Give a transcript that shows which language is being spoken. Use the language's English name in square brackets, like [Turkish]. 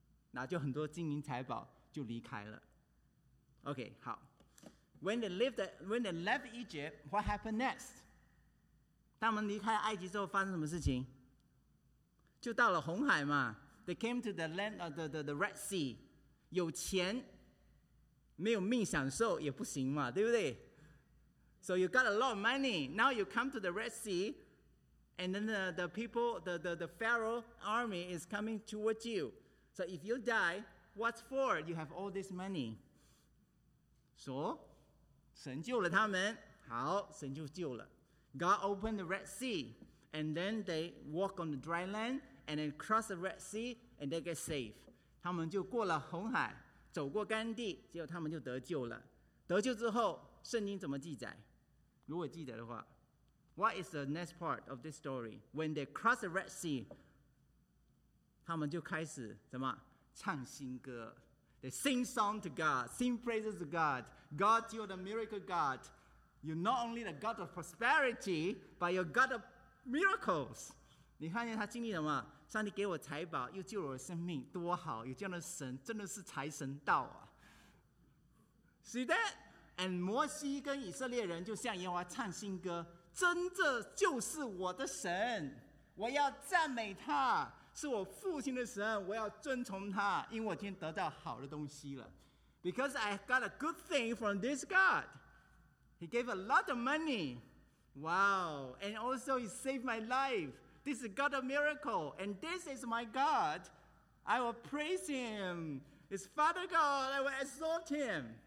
[Chinese] 那就很多金银财宝就离开了。 [English] Okay, 好。When they left Egypt, what happened next? [Chinese] 他们离开埃及之后发生什么事情？就到了红海嘛。 [English] They came to the land of the Red Sea. [Chinese] 有钱没有命享受也不行嘛，对不对？ [English] So you got a lot of money. Now you come to the Red Sea, and then the people, the Pharaoh army is coming towards you. So if you die, what for? You have all this money. [Chinese] So, 神救了他们。好，神就救了。 [English] God opened the Red Sea, and then they walk on the dry land. And then cross the Red Sea, and they get saved. [Chinese] 他们就过了红海，走过干地，结果他们就得救了。得救之后，圣经怎么记载？如果记得的话 [English] ，What is the next part of this story? When they cross the Red Sea, [Chinese] 他们就开始怎么唱新歌 [English] ？They sing song to God, sing praises to God. God, you're the miracle God. You're not only the God of prosperity, but you're God of miracles. [Chinese] 你看见他经历了吗？上帝给我财宝，又救了我的生命，多好！有这样的神，真的是财神到啊。 [English] See that? [Chinese] And 摩西跟以色列人就向耶和华唱新歌，真的就是我的神，我要赞美他，是我父亲的神，我要遵从他，因为我今天得到好的东西了。 [English] Because I got a good thing from this God. He gave a lot of money. Wow. And also he saved my life. This is God of miracle, and this is my God. I will praise him. It's Father God, I will exalt him.